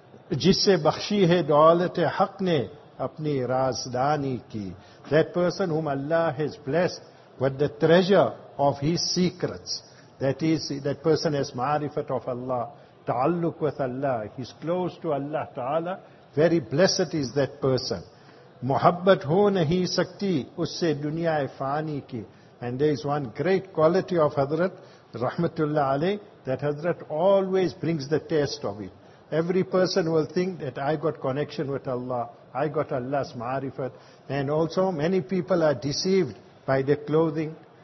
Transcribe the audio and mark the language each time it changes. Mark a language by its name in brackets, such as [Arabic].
[Urdu] جسے بخشی ہے دولت حق نے اپنی رازدانی کی، [English] that person whom Allah has blessed with the treasure of his secrets, that is, that person has ma'rifat of Allah تعلق with Allah. He's close to Allah Ta'ala. Very blessed is that person. [Urdu] محبت ہو نہیں سکتی اس سے دنیا فانی کی. [English] And there is one great quality of Hazrat Rahmatullah Alayh, that Hazrat always brings the taste of it. Every person will think that I got connection with Allah, I got Allah's ma'rifat. And also many people are deceived by their clothing.